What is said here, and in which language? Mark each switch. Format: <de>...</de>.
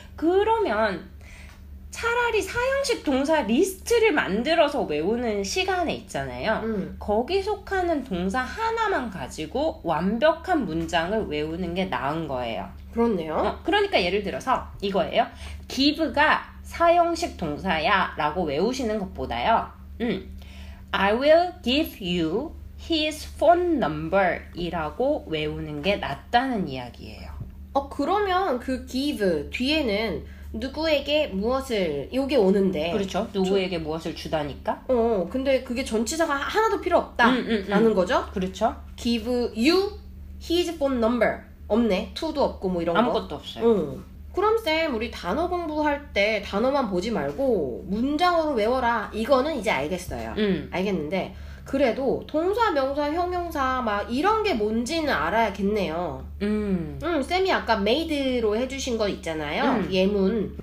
<ko>그러면 차라리 4형식 동사 리스트를 만들어서 외우는 시간에 있잖아요. 거기 속하는 동사 하나만 가지고 완벽한 문장을 외우는 게 나은 거예요. 그렇네요. 그러니까 예를 들어서 이거예요. give가 4형식 동사야 라고 외우시는 것보다요.</ko> <en>I will give you his phone number</en> <ko>이라고 외우는 게 낫다는 이야기예요. 그러면 그 give 뒤에는 누구에게 무엇을 이게 오는데 그렇죠 누구에게 무엇을 주다니까 근데 그게 전치사가 하나도 필요 없다 라는 거죠 그렇죠</ko> <en>give you his phone number</en> <ko>없네 to도 없고 뭐 이런 아무것도 거 아무것도 없어요 그럼 쌤 우리 단어 공부할 때 단어만 보지 말고 문장으로 외워라 이거는 이제 알겠어요 알겠는데 그래도 동사, 명사, 형용사 막 이런 게 뭔지는 알아야겠네요. 쌤이 아까 made로 해주신 거 있잖아요. 예문.</ko>